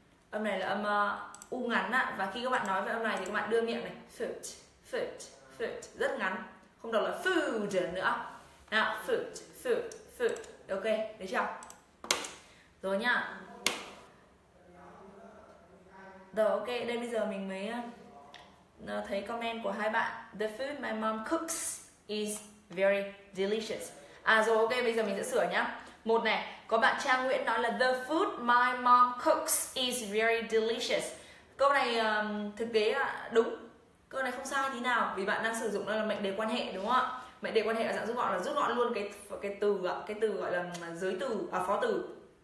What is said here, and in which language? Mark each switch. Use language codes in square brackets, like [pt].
[vi] Âm này là âm u ngắn á, và khi các bạn nói với âm này thì các bạn đưa miệng này, food, food, food rất ngắn, không đọc là food nữa. Nào, food, food, food. Ok, được chưa? Rồi nhá. Rồi ok, đây bây giờ mình mới thấy comment của hai bạn. [en] The food my mom cooks is very delicious. [vi] À rồi ok, bây giờ mình sẽ sửa nhá. Một này, có bạn Trang Nguyễn nói là [en] the food my mom cooks is very delicious. [vi] Câu này thực tế đúng. Câu này không sai tí nào vì bạn đang sử dụng nó là mệnh đề quan hệ đúng không ạ? Mệnh đề quan hệ ở dạng rút gọn là rút gọn luôn cái từ gọi là giới từ à phó từ.